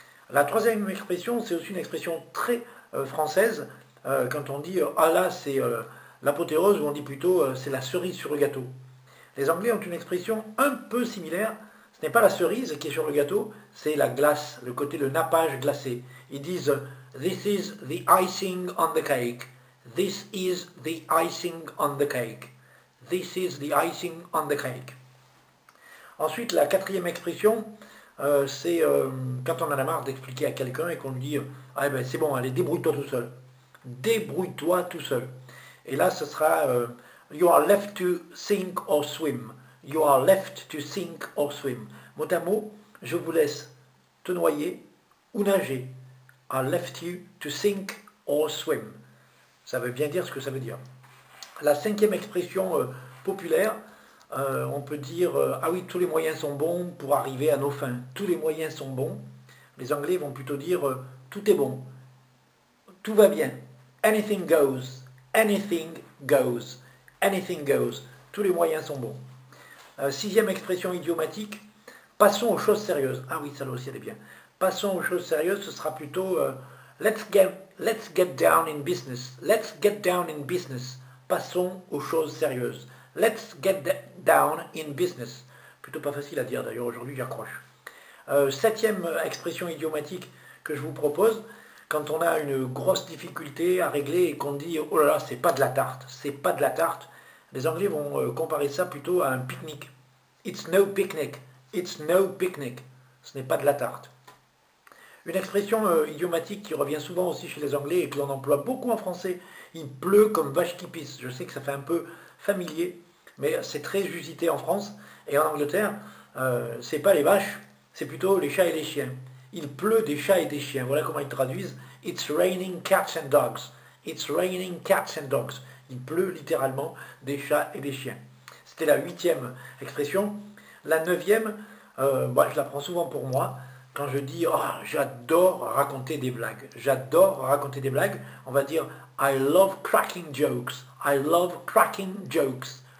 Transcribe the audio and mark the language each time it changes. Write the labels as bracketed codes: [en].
[fr] La troisième expression, c'est aussi une expression très française. Quand on dit ah là, c'est l'apothéose, ou on dit plutôt c'est la cerise sur le gâteau. Les Anglais ont une expression un peu similaire. Ce n'est pas la cerise qui est sur le gâteau, c'est la glace, le côté, le nappage glacé. Ils disent [en] This is the icing on the cake. This is the icing on the cake. This is the icing on the cake. [fr] Ensuite, la quatrième expression, c'est quand on en a marre d'expliquer à quelqu'un et qu'on lui dit ah, ben, c'est bon, allez, débrouille-toi tout seul. Débrouille-toi tout seul. Et là, ce sera [en] You are left to sink or swim. You are left to sink or swim. [fr] Mot à mot, je vous laisse te noyer ou nager. [en] I left you to sink or swim. [fr] Ça veut bien dire ce que ça veut dire. La cinquième expression populaire, on peut dire ah oui, tous les moyens sont bons pour arriver à nos fins. Tous les moyens sont bons. Les Anglais vont plutôt dire tout est bon. Tout va bien. [en] Anything goes. Anything goes. Anything goes. [fr] Tous les moyens sont bons. Sixième expression idiomatique, passons aux choses sérieuses. Ah oui, celle-là aussi, elle est bien. Passons aux choses sérieuses, ce sera plutôt [en] let's get down in business. Let's get down in business. [fr] Passons aux choses sérieuses. [en] Let's get down in business. [fr] Plutôt pas facile à dire d'ailleurs aujourd'hui, j'accroche. Septième expression idiomatique que je vous propose, quand on a une grosse difficulté à régler et qu'on dit oh là là, c'est pas de la tarte, c'est pas de la tarte. Les Anglais vont comparer ça plutôt à un pique-nique. [en] It's no picnic. It's no picnic. [fr] Ce n'est pas de la tarte. Une expression idiomatique qui revient souvent aussi chez les Anglais et que l'on emploie beaucoup en français, il pleut comme vache qui pisse. Je sais que ça fait un peu familier, mais c'est très usité en France et en Angleterre. Ce n'est pas les vaches, c'est plutôt les chats et les chiens. Il pleut des chats et des chiens. Voilà comment ils traduisent. [en] It's raining cats and dogs. It's raining cats and dogs. [fr] Il pleut littéralement des chats et des chiens. C'était la huitième expression. La neuvième, bah, je la prends souvent pour moi. Quand je dis oh, j'adore raconter des blagues. J'adore raconter des blagues. On va dire [en] I love cracking jokes. I love cracking jokes.